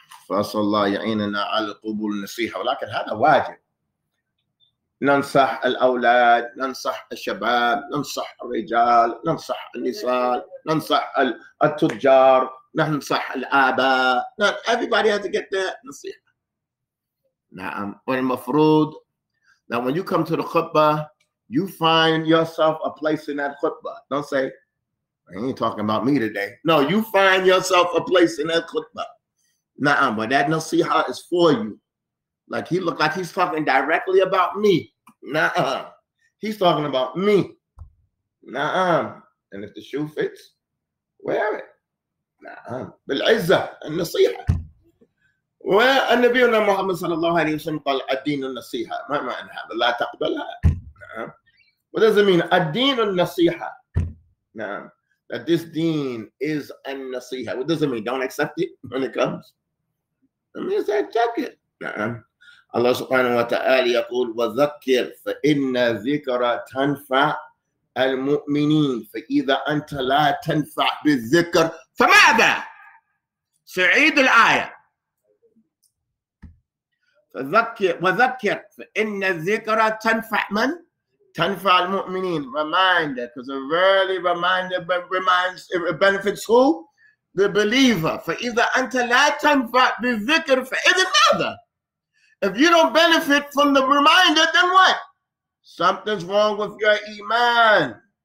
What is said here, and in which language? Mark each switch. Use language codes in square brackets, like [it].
[ar] فصل الله يعيننا على قبول النصيحة. ولكن هذا واجب. ننصح الأولاد، ننصح الشباب، ننصح الرجال، ننصح النساء، ننصح التجار، ننصح الآباء. [en] Not everybody has to get the نصيحة. [ar] نعم. والمفروض [en] now when you come to the khutbah, you find yourself a place in that khutbah. Don't say, I ain't talking about me today. No, you find yourself a place in that khutbah. Nah, but that nasiha is for you. Like he look like he's talking directly about me. Nah, he's talking about me. Nah, and if the shoe fits, wear it. Nah, bil-izzah, al-nasiha. Where the Nabi Muhammad sallallahu alayhi wa sallam [ar] قال الدين النصيحة ما معناها لا تقبلها. [en] What does it mean? [ar] الدين النصيحة. [en] That this deen is النصيحة. What does it mean? Don't accept it when it comes. It means check it. [ar] Allah subhanahu wa ta'ala يقول وذكر فإن ذكر تنفع المؤمنين فإذا أنت لا تنفع بالذكر فماذا؟ سعيد الآية. وذكر فإن الذكرى تنفع من؟ تنفع المؤمنين. [en] Reminder, because a really reminder reminds, it benefits who? The believer. [ar] فإذا أنت لا تنفع بالذكر فإذا ماذا؟ [en] If you don't benefit from the reminder, then what? Something's wrong with your iman.